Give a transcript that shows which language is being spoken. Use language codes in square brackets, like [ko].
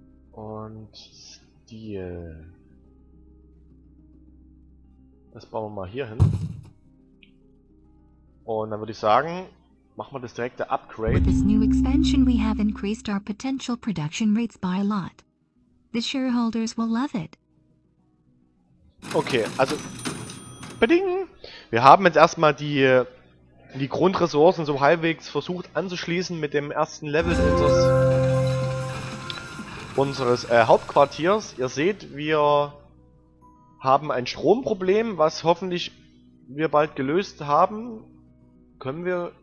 [de] Und Steel. Das bauen wir mal hier hin. Und dann würde ich sagen, machen wir das direkte [en] With this new expansion, we have increased our potential production rates by a lot. The shareholders will love it. [de] Okay, also. Beding! Wir haben jetzt erstmal die Grundressourcen so halbwegs versucht anzuschließen mit dem ersten Level unseres Hauptquartiers. Ihr seht, wir haben ein Stromproblem, was hoffentlich wir bald gelöst haben. Können wir?